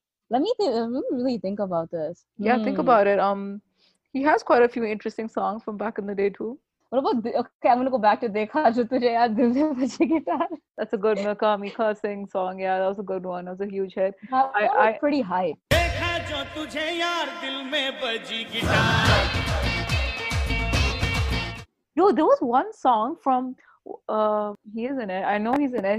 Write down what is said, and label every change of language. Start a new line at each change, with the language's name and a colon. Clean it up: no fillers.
English: Let me really think about this. Think about it. He has quite a few interesting songs from back in the day too. What about I'm gonna go back to
Hindi: देखा जो तुझे याद दिल में बजे guitar.
English: That's a good Mika Mika Singh song. Yeah, that was a good one. That was a huge hit. Pretty high. Yo, there was one song from he's in it. I know he's in it.